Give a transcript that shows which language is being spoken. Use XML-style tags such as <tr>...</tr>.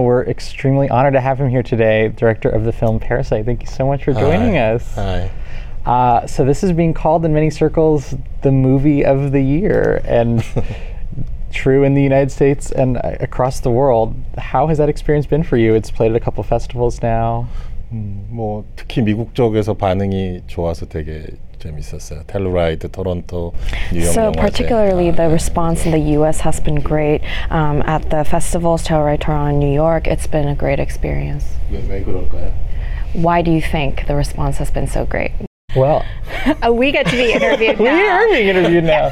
<en>We're extremely honored to have him here today, director of the film Parasite. Thank you so much for joining us. Hi. So this is being called in many circles the movie of the year, and true in the United States and across the world. How has that experience been for you? It's played at a couple festivals now.</en> <ko>뭐 특히 미국 쪽에서 반응이 좋아서 되게 재밌었어요.</ko> <en>Telluride, Toronto, New York. So particularly the response in the U.S. has been great at the festivals, Telluride, Toronto, New York. It's been a great experience.</en> <ko>왜 그럴까요?</ko> <en>Why do you think the response has been so great? Well, we get to be interviewed now. We are being interviewed now.</en>